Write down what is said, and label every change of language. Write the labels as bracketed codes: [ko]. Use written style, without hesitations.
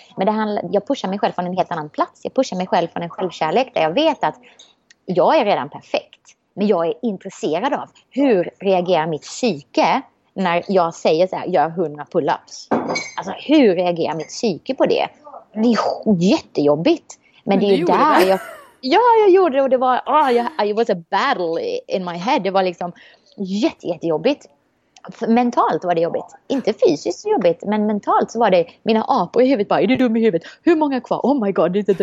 [sv] Men det handlar, jag pushar mig själv från en helt annan plats, jag pushar mig själv från en självkärlek där jag vet att jag är redan perfekt. Men jag är intresserad av hur reagerar mitt psyke när jag säger så här, gör 100 pull-ups. Alltså hur reagerar mitt psyke på det? Det är jättejobbigt. Men det är ju där jag... Ja, jag gjorde det och det var... [en] It was a battle in my head. [sv] Det var liksom jättejobbigt. Mentalt var det jobbigt. Inte fysiskt jobbigt, men mentalt så var det... Mina apor i huvudet bara, är du dum i huvudet? Hur många kvar? [en] Oh my god.